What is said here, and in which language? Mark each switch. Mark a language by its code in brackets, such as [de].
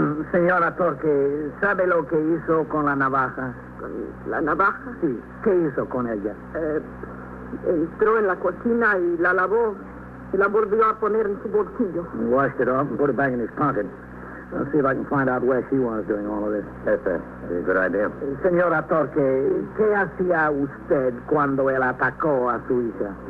[es] Señora Torque, ¿sabe lo que hizo con la navaja? ¿Con la navaja? Sí. ¿Qué hizo con ella? Entró en la cocina y la lavó. Y la volvió a poner en su bolsillo. [en] He washed it off and put it back in his pocket. I'll see if I can find out where she was doing all of this. Yes, sir. It's a good idea. [es] Señora Torque, ¿qué hacía usted cuando él atacó a su hija?